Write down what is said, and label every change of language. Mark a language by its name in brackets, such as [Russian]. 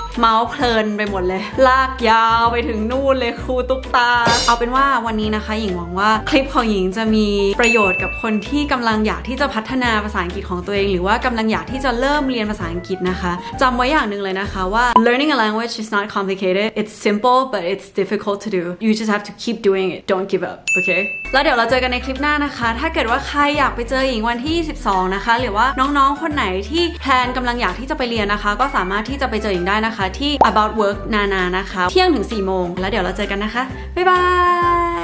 [Thai] เมาเพลินไปหมดเลยลากยาวไปถึงนู่นเลยครูตุ๊กตาเอาเป็นว่าวันนี้นะคะหญิงหวังว่าคลิปของหญิงจะมีประโยชน์กับคนที่กำลังอยากที่จะพัฒนาภาษาอังกฤษของตัวเองหรือว่ากำลังอยากที่จะเริ่มเรียนภาษาอังกฤษนะคะจำไว้อย่างนึงเลยนะคะว่า [English] Learning a language is notComplicated. It's simple, but it's difficult to do. You just have to keep doing it. Don't give up. Okay? [Thai] แล้วเดี๋ยวเราเจอกันในคลิปหน้านะคะถ้าเกิดว่าใครอยากไปเจอหญิงวันที่22นะคะหรือว่าน้องๆคนไหนที่แพลนกำลังอยากที่จะไปเรียนนะคะก็สามารถที่จะไปเจอหญิงได้นะคะที่ About Work นานานะคะเที่ยงถึง4โมงแล้วเดี๋ยวเราเจอกันนะคะบ๊ายบาย